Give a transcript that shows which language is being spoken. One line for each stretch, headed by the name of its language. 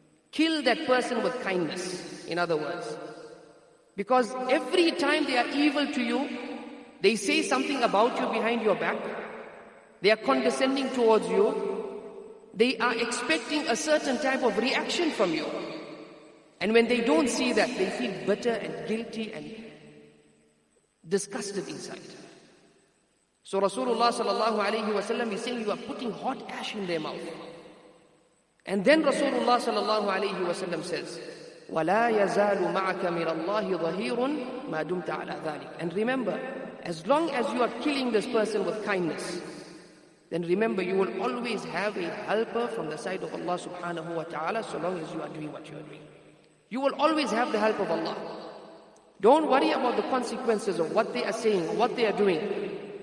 English: Kill that person with kindness, in other words. Because every time they are evil to you, they say something about you behind your back, they are condescending towards you, they are expecting a certain type of reaction from you. And when they don't see that, they feel bitter and guilty and disgusted inside. So Rasulullah sallallahu alayhi wa sallam is saying, you are putting hot ash in their mouth.
Arabic: And then Rasulullah sallallahu alayhi wa sallam says, وَلَا يَزَالُ مَعَكَ مِنَ اللَّهِ ظَهِيرٌ مَا دُمْتَ عَلَى ذَلِكَ.
English: And remember, as long as you are killing this person with kindness, then remember, you will always have a helper from the side of Allah subhanahu wa ta'ala, so long as you are doing what you are doing. You will always have the help of Allah. Don't worry about the consequences of what they are saying, what they are doing.